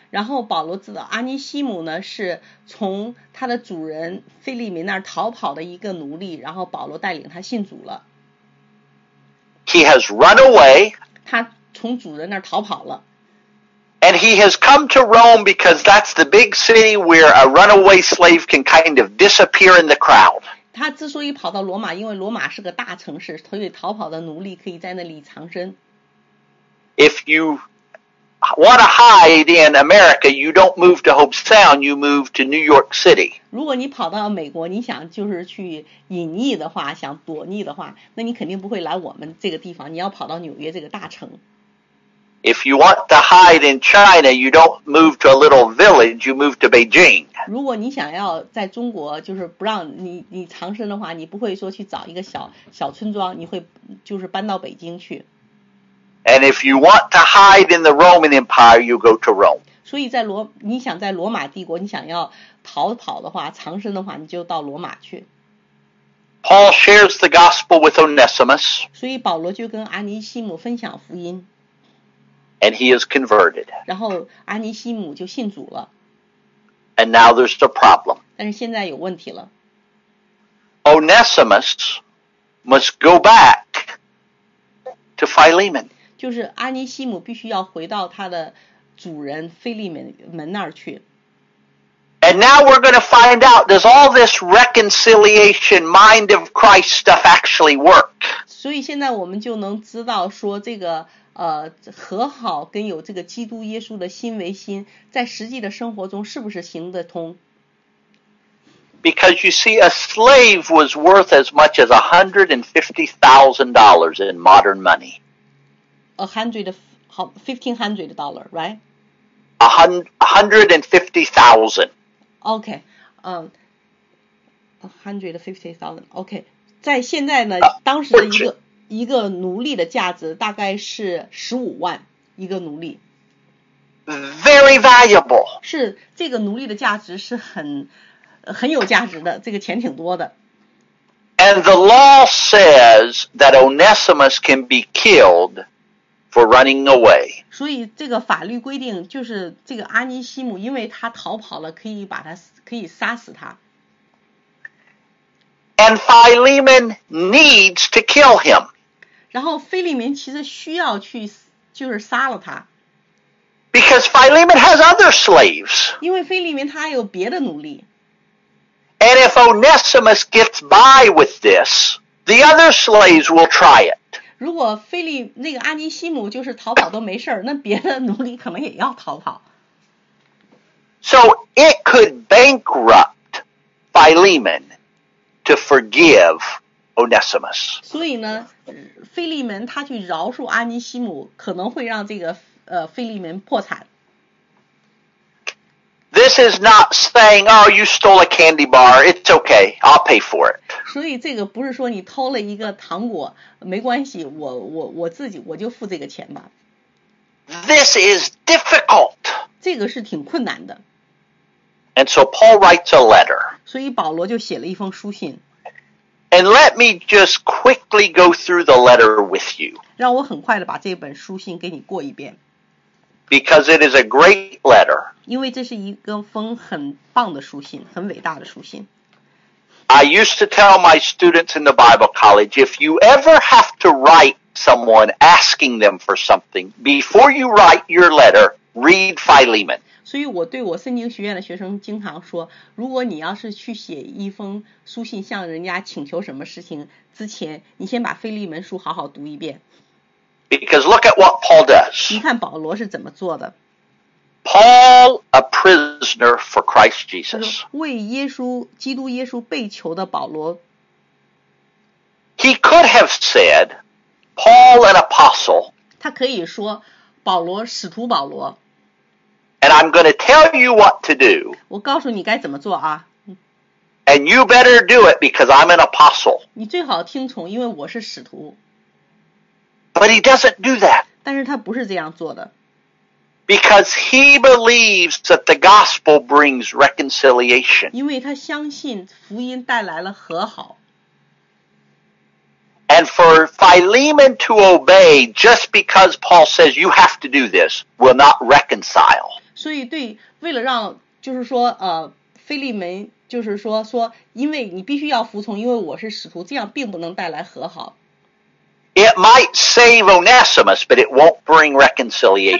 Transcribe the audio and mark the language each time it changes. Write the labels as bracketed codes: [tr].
[zh] 然后保罗知道阿尼西姆呢是从他的主人腓利门那儿逃跑的一个奴隶，然后保罗带领他信主了。 [en] He has run away. [zh] 他从主人那儿逃跑了。 [en] And he has come to Rome because that's the big city where a runaway slave can kind of disappear in the crowd. [zh] 他之所以跑到罗马，因为罗马是个大城市，所以逃跑的奴隶可以在那里藏身。 [en] If you... Want to hide in America, you don't move to Hope Sound, you move to New York City. [zh] 如果你跑到美国，你想就是去隐匿的话，想躲匿的话，那你肯定不会来我们这个地方，你要跑到纽约这个大城。 [en] If you want to hide in China, you don't move to a little village, you move to Beijing. [zh] 如果你想要在中国就是不让你你藏身的话，你不会说去找一个小小村庄，你会就是搬到北京去。 [en] And if you want to hide in the Roman Empire, you go to Rome. [zh] 所以在罗你想在罗马帝国，你想要逃跑的话，藏身的话，你就到罗马去。 [en] Paul shares the gospel with Onesimus. [zh] 所以保罗就跟阿尼西姆分享福音。 [en] And he is converted. [zh] 然后阿尼西姆就信主了。 [en] And now there's the problem. [zh] 但是现在有问题了。 [en] Onesimus must go back to Philemon. [zh] 就是阿尼西姆必须要回到他的主人腓利门那儿去。 [en] And now we're going to find out, does all this reconciliation mind of Christ stuff actually work? [zh] 所以现在我们就能知道说这个和好跟有这个基督耶稣的心为心在实际的生活中是不是行得通 [en] Because you see, a slave was worth as much as $150,000 in modern money. $1,500, right? $150,000. Okay. $150,000. Okay. [zh] 在现在呢当时的一个。一个奴隶的价值大概是150,000一个奴隶 [en] Very valuable [zh] 是这个奴隶的价值是很有价值的这个钱挺多的 [en] And the law says that Onesimus can be killed for running away [zh] 所以这个法律规定就是这个阿尼西姆因为他逃跑了可以杀死他 [en] And Philemon needs to kill him. [zh] 然后腓利门其实需要去就是杀了他。 [en] Because Philemon has other slaves. [zh] 因为腓利门他有别的奴隶。 [en] And if Onesimus gets by with this, the other slaves will try it. [zh] 如果腓利那个阿尼西姆就是逃跑都没事那别的奴隶可能也要逃跑。 [en] So it could bankrupt Philemon. To forgive Onesimus. [zh] 所以呢，腓利门他去饶恕阿尼西姆，可能会让这个腓利门破产。 [en] This is not saying, "Oh, you stole a candy bar. It's okay. I'll pay for it." [zh] 所以这个不是说你偷了一个糖果，没关系，我自己我就付这个钱吧。 [en] This is difficult. [zh] 这个是挺困难的。 [en] And so Paul writes a letter. [zh] 所以保罗就写了一封书信。 [en] And let me just quickly go through the letter with you. [zh] 让我很快的把这本书信给你过一遍。 [en] Because it is a great letter. [zh] 因为这是一封很棒的书信，很伟大的书信。 [en] I used to tell my students in the Bible college, if you ever have to write someone asking them for something, before you write your letter, read Philemon. [zh] 所以我对我圣经学院的学生经常说如果你要是去写一封书信向人家请求什么事情之前你先把腓利门书好好读一遍 [en] Because look at what Paul does [zh] 你看保罗是怎么做的 [en] Paul a prisoner for Christ Jesus [zh] 为耶稣基督耶稣被囚的保罗 [en] He could have said Paul an apostle [zh] 他可以说保罗使徒保罗 [en] And I'm going to tell you what to do. [zh] 我告诉你该怎么做啊。 [en] And you better do it because I'm an apostle. [zh] 你最好听从因为我是使徒。 [en] But he doesn't do that. [zh] 但是他不是这样做的。 [en] Because he believes that the gospel brings reconciliation. [zh] 因为他相信福音带来了和好。 [en] And for Philemon to obey just because Paul says you have to do this will not reconcile. [zh] 所以对为了让就是说腓利门就是说因为你必须要服从因为我是使徒这样并不能带来和好。 [en] It might save Onesimus but it won't bring reconciliation.